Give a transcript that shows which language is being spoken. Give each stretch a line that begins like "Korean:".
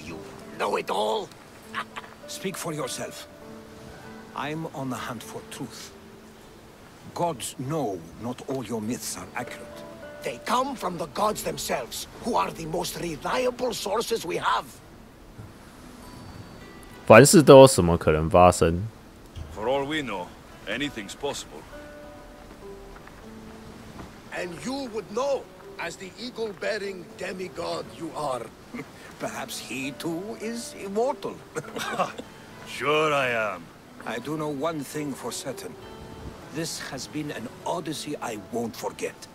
English: You know it all. Speak for yourself. I'm on the hunt for truth. Gods know not all your myths are accurate. They come from the gods themselves, who are the most reliable sources we have.
Chinese: 凡事都有什么可能发生。
English: For all we know, anything's possible. And you would know. As the eagle-bearing demigod you are, perhaps he too is immortal. Sure I am. I do know one thing for certain. This has been an odyssey I won't forget.